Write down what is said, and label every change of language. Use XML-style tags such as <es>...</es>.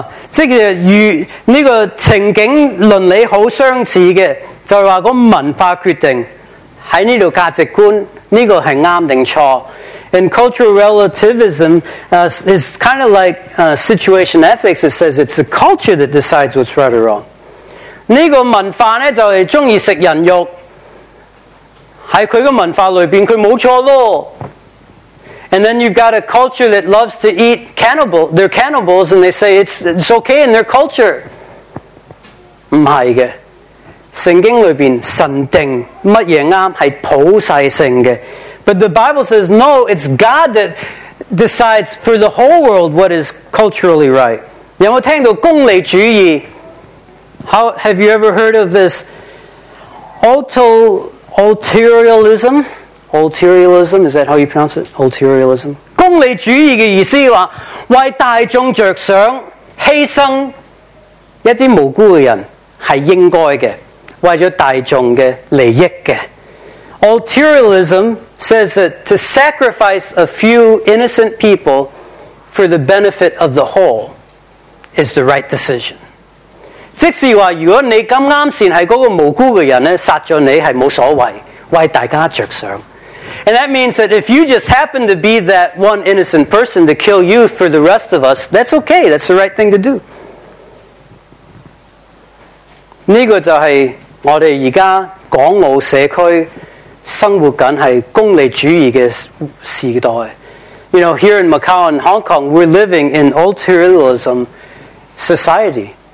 <zh>即是与这个情景伦理很相似的，就是说个文化决定在这里价值观这个是对定错。</zh> <en>And cultural relativism is kind of like situation ethics. It says it's the culture that decides what's right or wrong.</en> <zh>这个文化呢就是喜欢吃人肉，在他的文化里面他没错咯。</zh> <en>And then you've got a culture that loves to eat cannibals. They're cannibals and they say it's okay in their culture.</en> <zh>不是的。圣经里面神定什么对是普世性的。</zh> <en>But the Bible says, no, it's God that decides for the whole world what is culturally right.</en> <zh>有没有听到功利主义？</zh> <en>How, have you ever heard of this? Ulterioralism? Ulterioralism, is that how you pronounce it? Ulterioralism.</en> <zh>功利主义的意思是为大众着想，牺牲一些无辜的人是应该的，为了大众的利益的。</zh> <en>Ulterioralism says that to sacrifice a few innocent people for the benefit of the whole is the right decision.</en> <zh>即是说如果你刚刚才是那个无辜的人杀了你是没所谓，为大家着想。</zh> <en>And that means that if you just happen to be that one innocent person to kill you for the rest of us, that's okay, that's the right thing to do.</en> <zh>这个就是我们现在港澳社区生活紧是功利主义的时代。</zh> <en>You know, here in Macau and Hong Kong, we're living in ulterioralism society.</en>